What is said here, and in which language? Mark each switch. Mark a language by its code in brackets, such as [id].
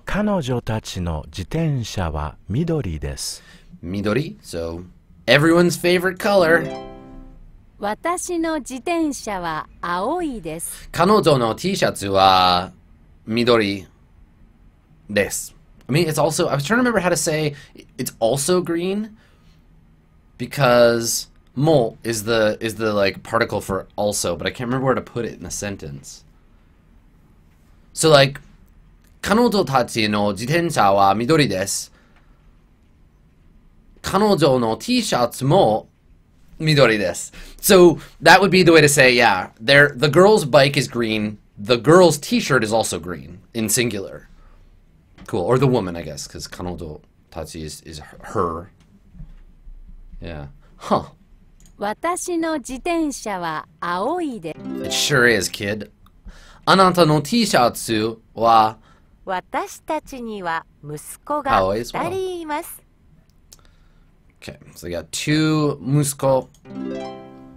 [ja] 彼女たちの自転車は緑です。 [en] 緑 so everyone's favorite color [ja] 私の自転車は青いです。彼女の T シャツは緑です。 [en] I mean, it's also, I was trying to remember how to say it's also green because も is the like particle for also, but I can't remember where to put it in a sentence. So like, [ja] 彼女たちの自転車は緑です。彼女の T シャツも Midori desu. [en] So that would be the way to say, yeah, the girl's bike is green, the girl's t-shirt is also green, in singular. Cool. Or the woman, I guess, because kanodo tachi is her. Yeah. Huh. [ja] 私の自転車は青いです。 [en] It sure is, kid. [ja] あなたの T シャツは私たちには息子が二人います。 [en] Well. Okay, so we got two 息子。